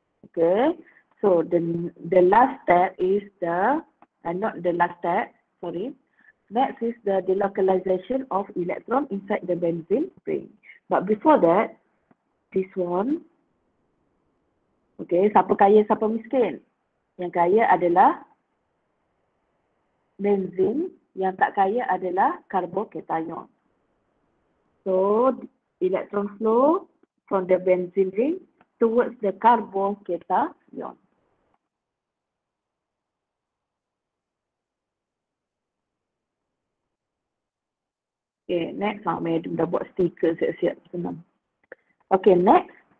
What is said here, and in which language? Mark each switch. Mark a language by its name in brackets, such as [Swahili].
[English] Okay, so the last step is the Next is the delocalization of electron inside the benzene ring. But before that, this one, [Malay] Okey, siapa kaya, siapa miskin? Yang kaya adalah benzin, yang tak kaya adalah karbokation. [English] So, electron flow from the benzene ring towards the karbokation. Okay, next [Malay] lah, Madam dah buat stiker siap-siap senang. Okay, next.